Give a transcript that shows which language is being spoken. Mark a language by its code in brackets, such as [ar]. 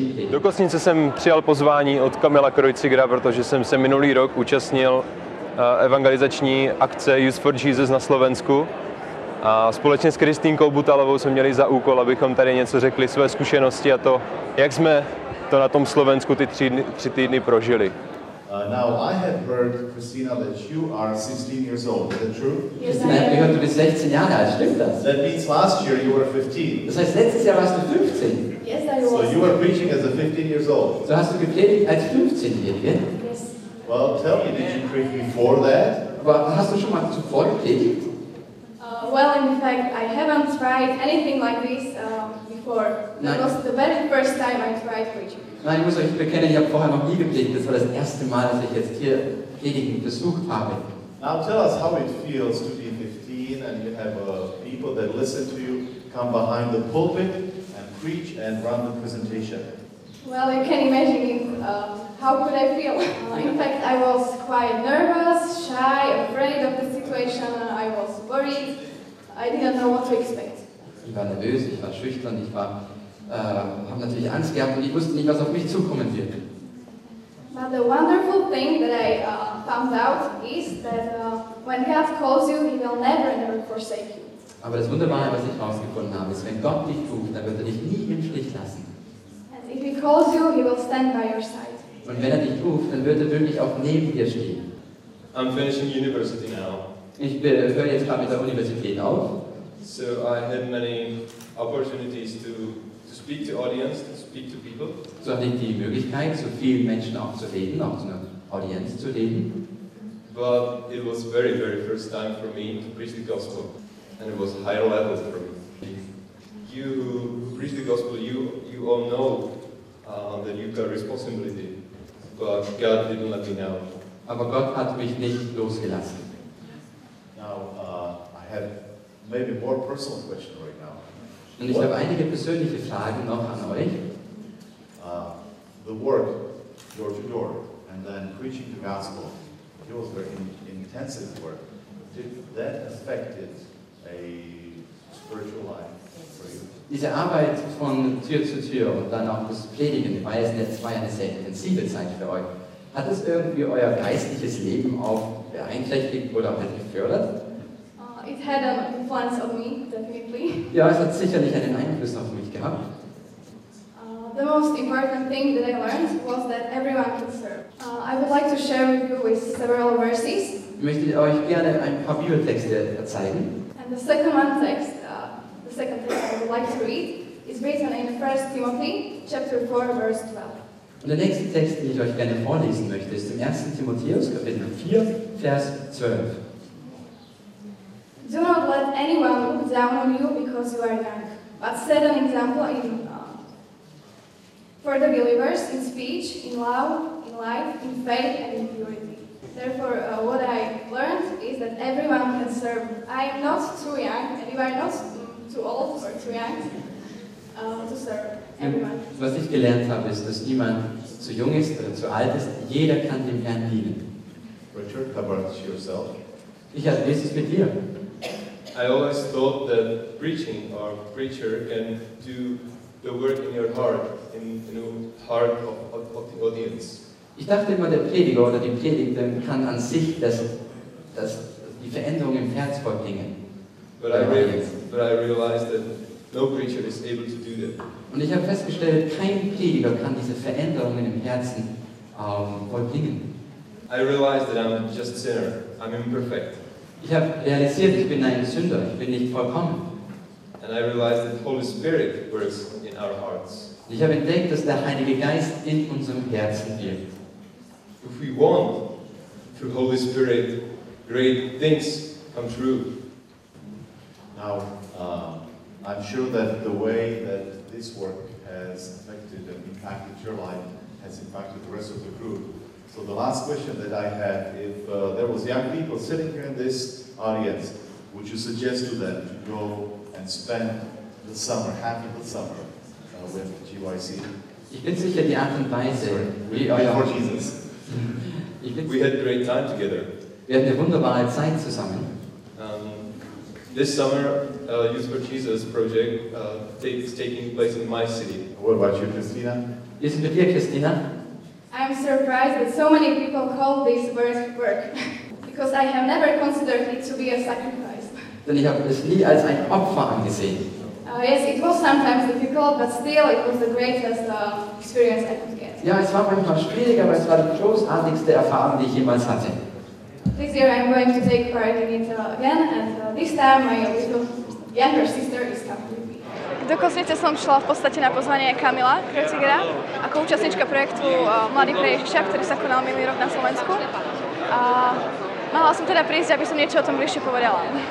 [cs] Do Kosnice jsem přijal pozvání od Kamila Krojcigra, protože jsem se minulý rok účastnil evangelizační akce Youth for Jesus na Slovensku. A společně s Kristínkou Butalovou jsme měli za úkol, abychom tady něco řekli, své zkušenosti a to, jak jsme to na tom Slovensku ty 3 týdny prožili. [en] Now I have heard, Christina, that you are 16 years old. Is that true? Yes, I have. [de] Du bist 16 Jahre alt. Stimmt das? [en] That means last year you were 15. [de] Das heißt, letztes Jahr warst du 15. [en] Yes, I was. So you were preaching as a 15 years old. [de] So hast du gepredigt als 15-Jährige? [en] Yes. Well, tell me, did you preach before that? [de] Aber hast du schon mal zuvor gepredigt? [en] Well, in fact, I haven't tried anything like this before. [de] Nein. [en] That was the very first time I tried preaching. [de] Nein, ich muss euch bekennen, ich habe vorher noch nie gepredigt. Das war das erste Mal, dass ich jetzt hier Predigen besucht habe. [en] Now tell us how it feels to be 15 and you have people that listen to you come behind the pulpit and preach and run the presentation. Well, you can imagine how could I feel. In fact, I was quite nervous, shy, afraid of the situation. I was worried. I didn't know what to expect. [de] Ich war nervös, ich war schüchtern, ich war... Haben natürlich Angst gehabt und ich wusste nicht, was auf mich zukommen wird. [en] My the wonderful thing that I found out is that when God calls you, he will never, never forsake you. [de] Aber das Wunderbare, was ich herausgefunden habe, ist, wenn Gott dich ruft, dann wird er dich nie im Stich lassen. [en] And if he calls you, he will stand by your side. [de] Und wenn er dich ruft, dann wird er wirklich auch neben dir stehen. [en] I'm finishing university now. [de] Ich höre jetzt gerade mit der Universität auf. [en] So I had many opportunities to speak to audience, to speak to people. [de] So hatte ich die Möglichkeit, so vielen Menschen auch zu reden, auch zu einer Audienz zu reden. [en] But it was very, very first time for me to preach the gospel. And it was high level for me. You preach the gospel, you all know that you've got responsibility. But God didn't let me know. [de] Aber Gott hat mich nicht losgelassen. [en] Now, I have maybe more personal questions right now. [de] Und ich habe einige persönliche Fragen noch an euch. [en] The work, door to door, and then preaching the gospel, it was very intensive work. Did that affect it? A spiritual life for you. [de] Diese Arbeit von Tür zu Tür und dann auch das Predigen, weil es jetzt war eine sehr intensive Zeit für euch, hat es irgendwie euer geistliches Leben auch beeinträchtigt oder halt gefördert? [en] It had an influence on me, definitely. [de] Ja, es hat sicherlich einen Einfluss auf mich gehabt. [en] The most important thing that I learned was that everyone can serve. I would like to share with you with several verses. [de] Ich möchte euch gerne ein paar Bibeltexte zeigen. [en] And the second text I would like to read is written in 1 Timothy chapter 4, verse 12. [de] Und der nächste Text, den ich euch gerne vorlesen möchte, ist im 1. Timotheus, Kapitel 4, Vers 12. [en] Do not let anyone look down on you because you are young, but set an example in for the believers in speech, in love, in life, in faith, and in purity. Therefore, what I learned is that everyone can serve. I am not too young, and you are not too old or too young to serve everyone. [de] Was ich gelernt habe, ist, dass niemand zu jung ist oder zu alt ist. Jeder kann dem Herrn dienen. [en] Richard, how about yourself? [de] Ich habe dieses mit dir. [en] I always thought that preaching or preacher can do the work in your heart, in the heart of the audience. [de] Ich dachte immer, der Prediger oder die Predigerin kann an sich das die Veränderung im Herz vollbringen. [en] But I realized that no preacher is able to do that. [de] Und ich habe festgestellt, kein Prediger kann diese Veränderungen im Herzen vollbringen. [en] I realized that I'm just a sinner. I'm imperfect. [de] Ich habe realisiert, ich bin ein Sünder, ich bin nicht vollkommen. [en] And I realized that the Holy Spirit works in our hearts. [de] Ich habe entdeckt, dass der Heilige Geist in unserem Herzen wirkt. [en] If we want, through Holy Spirit, great things come true. Now, I'm sure that the way that this work has affected and impacted your life has impacted the rest of the group. So the last question that I had, if there was young people sitting here in this audience, would you suggest to them to go and spend the summer, happy the summer, with GYC? [de] Ich bin sicher, die Art und Weise, [en] we had a great time together. [de] Wir hatten eine wunderbare Zeit zusammen. [en] This summer, Youth for Jesus project is taking place in my city. What about you, Christina? [de] Ist es mit dir, Christina? [en] I'm surprised that so many people call this work because I have never considered it to be a sacrifice. [de] Denn ich habe es nie als ein Opfer angesehen. [en] Yes, it was sometimes difficult, but still it was the greatest experience I could get. [de] Ja, es war manchmal schwierig, aber es war die großartigste Erfahrung, die ich jemals hatte. [en] This year I'm going to take part in it again, and this time my little younger sister is coming. [sk] Do Kosnice som šla v podstate na pozvanie Kamila Krotigera ako účastnička projektu Mladý pre Ježiša, ktorý sa konal minulý rok na Slovensku. A mala som teda prísť, aby som niečo o tom bližšie povedala.